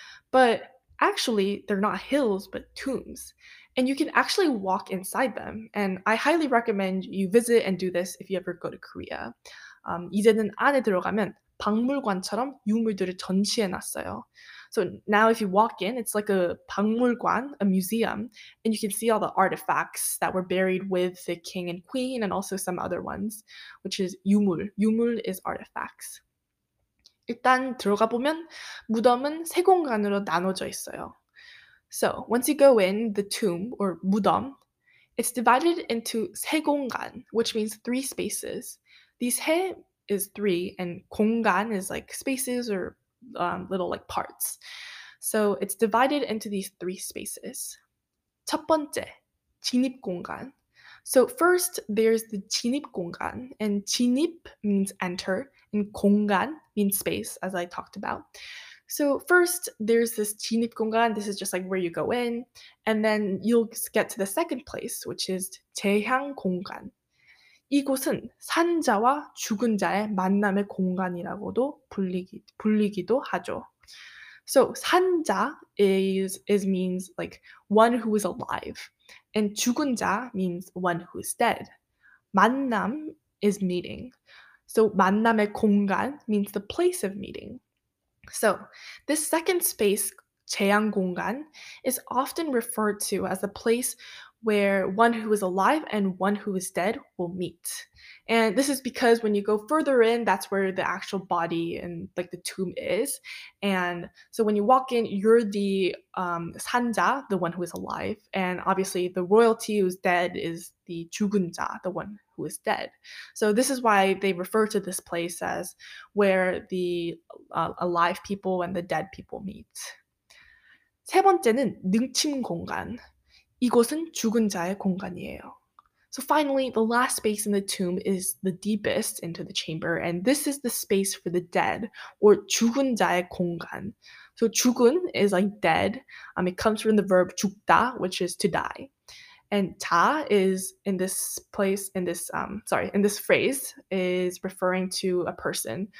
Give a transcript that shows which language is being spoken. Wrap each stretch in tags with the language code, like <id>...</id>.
<en>But actually, they're not hills, but tombs. And you can actually walk inside them. And I highly recommend you visit and do this if you ever go to Korea.</en> <ko>이제는 안에 들어가면 박물관처럼 유물들을 전시해놨어요.</ko> <en>So now if you walk in, it's like a 박물관, a museum. And you can see all the artifacts that were buried with the king and queen and also some other ones, which is 유물. 유물 is artifacts.</en> <ko>일단 들어가 보면 무덤은 세 공간으로 나눠져 있어요.</ko> <en>So, once you go in, the tomb, or 무덤, it's divided into 세 공간, which means three spaces. These 세 is three, and 공간 is like spaces or little like parts. So, it's divided into these three spaces.</en> <ko>첫 번째, 진입 공간.</ko> <en>So, first, there's the 진입 공간, and 진입 means enter, and 공간 means space, as I talked about. So first, there's this 진입공간. This is just like where you go in. And then you'll get to the second place, which is 재향공간.</en> <ko>이곳은 산자와 죽은 자의 만남의 공간이라고도 불리기도 하죠.</ko> <en>So 산자 means like one who is alive. And 죽은 자 means one who is dead. 만남 is meeting. So 만남의 공간 means the place of meeting. So this second space, 재향공간, is often referred to as the place where one who is alive and one who is dead will meet. And this is because when you go further in, that's where the actual body and like the tomb is. And so when you walk in, you're the 산자, the one who is alive. And obviously the royalty who's dead is the 죽은 자, the one who is dead. So this is why they refer to this place as where the alive people and the dead people meet.</en> <ko>세 번째는 능침 공간. 이곳은 죽은 자의 공간이에요.</ko> <en>So finally, the last space in the tomb is the deepest into the chamber, and this is the space for the dead, or</en> <ko>죽은 자의 공간.</ko> <en>So 죽은 is like dead. It comes from the verb 죽다, which is to die. And 자 is in this place, in this phrase, is referring to a person.</en>